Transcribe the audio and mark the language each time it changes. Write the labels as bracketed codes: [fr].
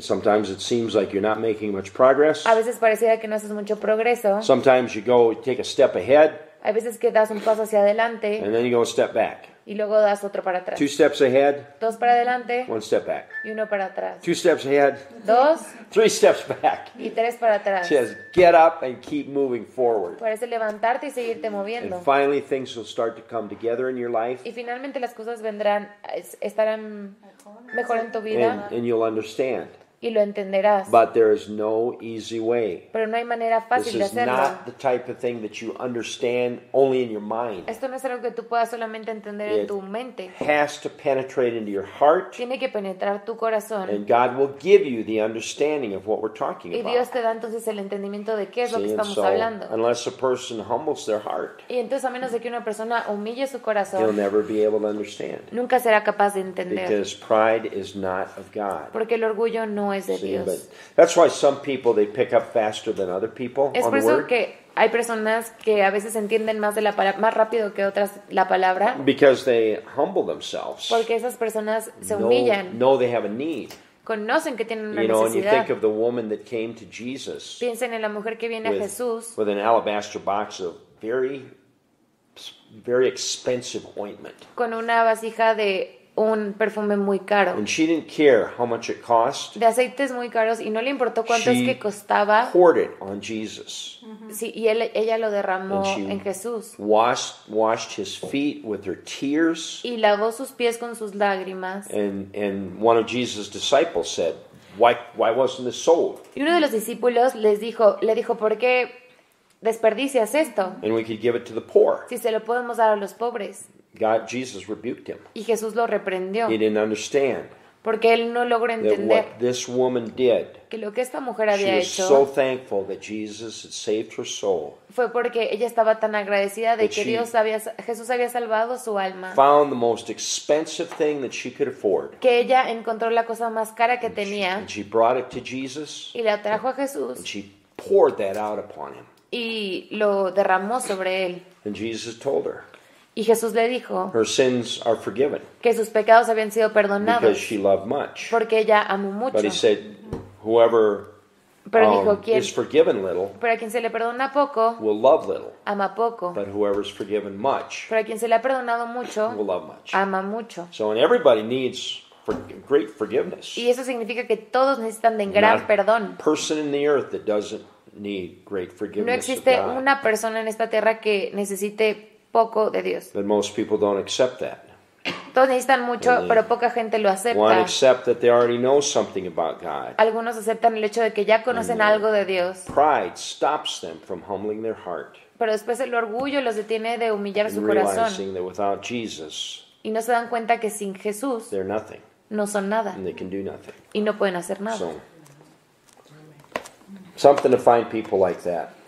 [en] Sometimes it seems like you're not making much progress. [es] A veces parece que no haces mucho progreso. [en] Sometimes you go take a step ahead. [es] Hay veces que das un paso hacia adelante. [en] And then you go a step back. [es] Y luego das otro para atrás. [en] Two steps ahead. [es] Dos para adelante. [en] One step back. [es] Y uno para atrás. [en] Two steps ahead. [es] Dos. [en] Three steps back. [es] Y tres para atrás. [en] She says, get up and keep moving forward. [es] Parece levantarte y seguirte moviendo. [en] And finally things will start to come together in your life. [es] Y finalmente las cosas vendrán, estarán mejor en tu vida. [en] And you'll understand. [es] Y lo entenderás. [en] But there is no easy way. [es] Pero no hay manera fácil de hacerlo. [en] This is not the type of thing that you understand only in your mind. [es] Esto no es algo que tú puedas solamente entender en tu mente. [en] It has to penetrate into your heart. [es] Tiene que penetrar tu corazón. [en] And God will give you the understanding of what we're talking about. [es] Y Dios te da entonces el entendimiento de qué es lo que estamos hablando. [en] Unless a person humbles their heart. [es] Y entonces a menos de que una persona humille su corazón, [en] he'll never be able to understand. [es] Nunca será capaz de entender. [en] Because pride is not of God. [es] Porque el orgullo no es de Dios. [en] But that's why some people they pick up faster than other people on the word. [es] Que hay personas que a veces entienden más de la palabra, más rápido que otras la palabra. [en] Because they humble themselves. [es] Porque esas personas se humillan. [en] Know they have a need. [es] Conocen que tienen una necesidad. [en] You know, when you think of the woman that came to Jesus. [es] Piensen en la mujer que viene a Jesús. [en] With an alabaster box of very, very expensive ointment. [es] Con una vasija de un perfume muy caro. [en] And she didn't care how much it cost. [es] De aceites muy caros y no le importó cuánto es que costaba. [en] She poured it on Jesus. [es] Sí, y ella lo derramó en Jesús. [en] Washed his feet with her tears. [es] Y lavó sus pies con sus lágrimas. [en] And one of Jesus' disciples said, why wasn't this sold? [es] Y uno de los discípulos le dijo, ¿por qué desperdicias esto? [en] And we could give it to the poor. [es] Si se lo podemos dar a los pobres. [en] God, Jesus rebuked him. [es] Y Jesús lo reprendió. [en] He didn't understand. [es] Porque él no logró entender. [en] What this woman did. [es] Que lo que esta mujer había hecho. [en] She was so thankful that Jesus had saved her soul. [es] Fue porque ella estaba tan agradecida de que Jesús había salvado su alma. [en] Found the most expensive thing that she could afford. [es] Que ella encontró la cosa más cara que tenía. [en] And she brought it to Jesus. [es] Y la trajo a Jesús. [en] And she poured that out upon him. [es] Y lo derramó sobre él. [en] And Jesus told her. [es] Y Jesús le dijo, [en] her sins are forgiven, [es] que sus pecados habían sido perdonados, [en] because she loved much. [es] Porque ella amó mucho. [en] But he said, whoever, [es] pero dijo, quien, [en] is forgiven little, [es] pero a quien se le perdona poco, [en] will love little, [es] ama poco. [en] But whoever is forgiven much, [es] pero a quien se le ha perdonado mucho, [en] will love much, [es] ama mucho. [en] So and everybody needs great forgiveness. [es] Y eso significa que todos necesitan de gran perdón. [en] Not a person in the earth that doesn't need great forgiveness. [es] No existe una persona en esta tierra que necesite poco de Dios. [en] But most people don't accept that. [es] Todos necesitan mucho, pero poca gente lo acepta. [en] One accept that they already know something about God. [es] Algunos aceptan el hecho de que ya conocen algo de Dios. [en] Pride stops them from humbling their heart. [es] Pero después el orgullo los detiene de humillar su corazón. [en] Realizing that without Jesus, [es] y no se dan cuenta que sin Jesús, [en] they're nothing. [es] No son nada. [en] And they can do nothing. [es] Y no pueden hacer nada. [en] So, something to find people like that.